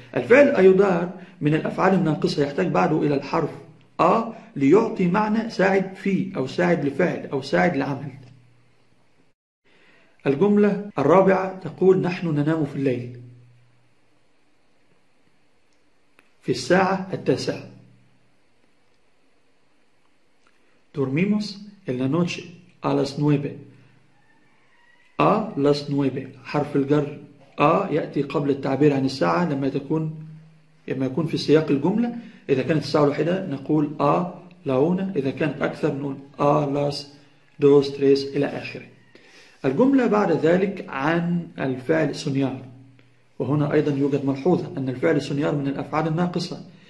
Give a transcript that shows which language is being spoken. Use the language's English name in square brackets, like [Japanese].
[Arabic] الفعل أيضار من الأفعال الناقصة، يحتاج بعده إلى الحرف ليعطي معنى ساعد فيه أو ساعد لفعل أو ساعد لعمل. الجملة الرابعة تقول نحن ننام في الليل في الساعة التاسعة. [Spanish] Dormimos en la noche a las nueve. A las nueve. [Arabic] حرف الجر A يأتي قبل التعبير عن الساعة لما تكون، لما يكون في سياق الجملة. إذا كانت الساعة الواحدة نقول [Spanish] A la una، [Arabic] إذا كانت أكثر نقول [Spanish] A las dos, tres [Arabic] إلى آخره. الجملة بعد ذلك عن الفعل سونيار، وهنا أيضا يوجد ملحوظة أن الفعل سونيار من الأفعال الناقصة.